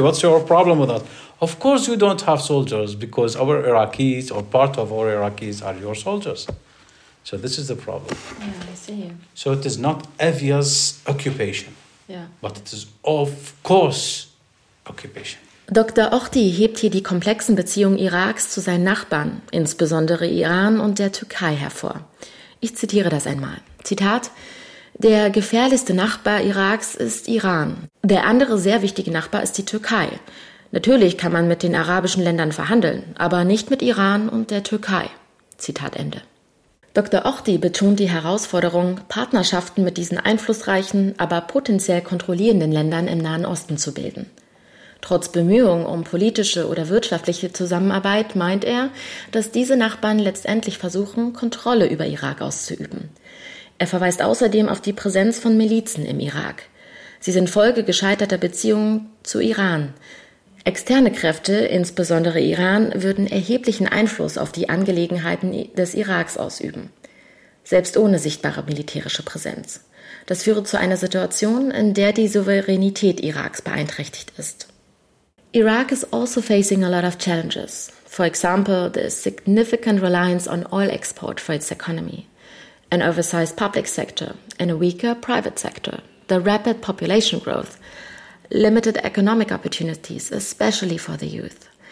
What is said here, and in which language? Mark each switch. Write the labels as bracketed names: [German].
[English] What's your problem with that? Of course you don't have soldiers, because our Iraqis, or part of our Iraqis, are your soldiers. So this is the problem. Yeah, I see. So it is not obvious occupation. Yeah. But it is of course occupation. [German] Dr. Ochti hebt hier die komplexen Beziehungen Iraks zu seinen Nachbarn, insbesondere Iran und der Türkei, hervor. Ich zitiere das einmal. Zitat: Der gefährlichste Nachbar Iraks ist Iran. Der andere sehr wichtige Nachbar ist die Türkei. Natürlich kann man mit den arabischen Ländern verhandeln, aber nicht mit Iran und der Türkei. Zitat Ende. Dr. Ochti betont die Herausforderung, Partnerschaften mit diesen einflussreichen, aber potenziell kontrollierenden Ländern im Nahen Osten zu bilden. Trotz Bemühungen um politische oder wirtschaftliche Zusammenarbeit meint er, dass diese Nachbarn letztendlich versuchen, Kontrolle über Irak auszuüben. Er verweist außerdem auf die Präsenz von Milizen im Irak. Sie sind Folge gescheiterter Beziehungen zu Iran. Externe Kräfte, insbesondere Iran, würden erheblichen Einfluss auf die Angelegenheiten des Iraks ausüben. Selbst ohne sichtbare militärische Präsenz. Das führe zu einer Situation, in der die Souveränität Iraks beeinträchtigt ist. [English] Iraq is also facing a lot of challenges. For example, the significant reliance on oil export for its economy, an oversized public sector and a weaker private sector, the rapid population growth, limited economic opportunities, especially for the youth.